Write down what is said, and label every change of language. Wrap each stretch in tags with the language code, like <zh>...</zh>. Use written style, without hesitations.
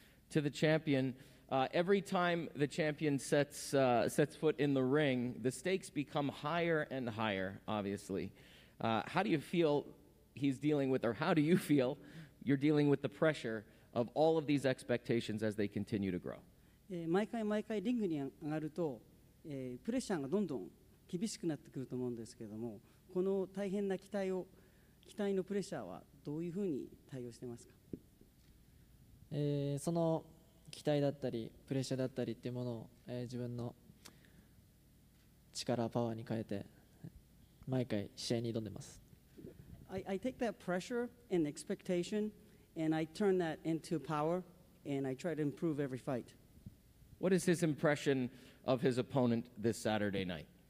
<en>To the champion, every time the champion sets foot in the ring, the stakes become higher and higher, obviously. How do you feel he's dealing with, or how do you feel you're dealing with the pressure of all of these expectations as they continue to grow?</en> <ja>毎回リングに上がると、プレッシャーがどんどん厳しくなってくると思うんですけれども、この大変な期待のプレッシャーはどういうふうに対応してますか？その期待だったりプレッシャーだったりっていうものを、自分の力パワーに変えて毎回試合に挑んでます。</ja> <en>I take that pressure and expectation and I turn that into power and I try to improve every fight. What is his impression of his opponent this Saturday night?</en>